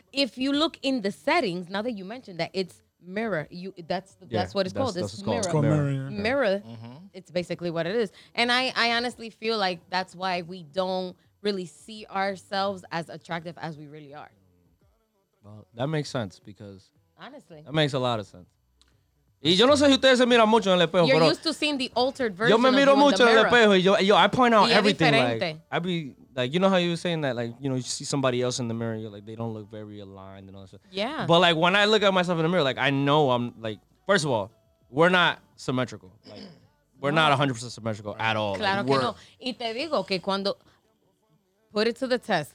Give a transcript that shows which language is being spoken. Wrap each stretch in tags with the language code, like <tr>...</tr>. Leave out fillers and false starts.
<en>If you look in the settings, now that you mentioned that, it's mirror. That's what it's called. Mirror. Mirror. Mm-hmm. It's basically what it is. And I honestly feel like that's why we don't really see ourselves as attractive as we really are. Well, that makes sense because... Honestly. That makes a lot of sense.</en> <es>Y yo no sé si ustedes se miran mucho en el espejo,</es> <en>you're</en> <es>pero...</es> <en>You're used to seeing the altered version of you in the mirror.</en> <es>Yo me miro mucho en el espejo y yo</es> <en>I point out everything. Like, I be... Like, you know how you were saying that? Like, you know, you see somebody else in the mirror, you're like, they don't look very aligned and all that stuff. Yeah. But, like, when I look at myself in the mirror, like, I know I'm, like... First of all, we're not symmetrical. Like... We're not 100% symmetrical at all.</en> <es>Claro que no. Y te digo que cuando...</es> <en>Put it to the test.</en>